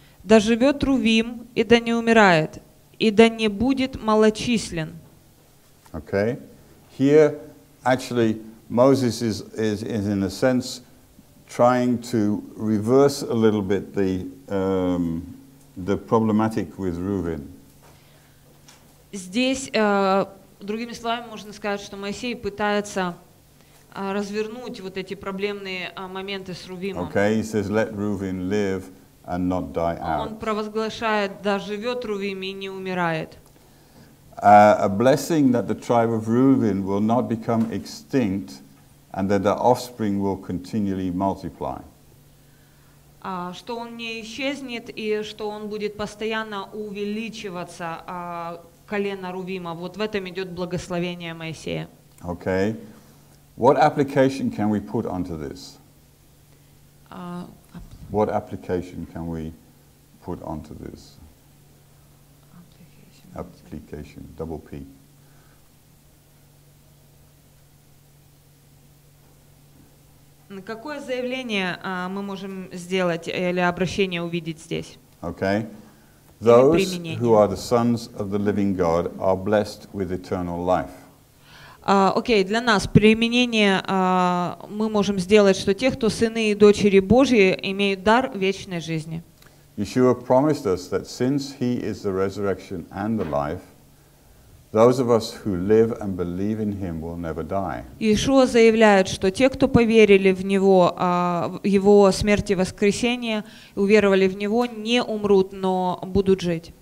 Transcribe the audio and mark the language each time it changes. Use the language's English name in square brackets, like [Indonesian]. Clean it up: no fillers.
[Russian] Да живет Рувим и да не умирает, и да не будет малочислен. [English] Okay, here actually Moses is in a sense trying to reverse a little bit the problematic with Reuven. [Russian] Здесь, другими словами, можно сказать, что Моисей пытается развернуть вот эти проблемные моменты с Рувимом. [English] Okay, he says, "Let Reuven live and not die out." [Russian] Он провозглашает, да живет Рувим и не умирает. [English] A blessing that the tribe of Reuben will not become extinct and that their offspring will continually multiply. [Russian] Что он не исчезнет и что он будет постоянно увеличиваться, колено Рувима. Вот в этом идет благословение Моисея. [English] Okay. What application can we put onto this? What application can we put onto this? Application, double P. [Russian] Какое заявление мы можем сделать или обращение увидеть здесь? [English] Okay. Those who are the sons of the living God are blessed with eternal life. [Russian] Окей, для нас применение мы можем сделать, что те, кто сыны и дочери Божьи, имеют дар вечной жизни. [English] Yeshua promised us that since He is the resurrection and the life, those of us who live and believe in Him will never die. [Russian] Yeshua заявляет, что те, кто поверили в Него, Его смерть и воскресение, уверовали в Него, не умрут, но будут жить.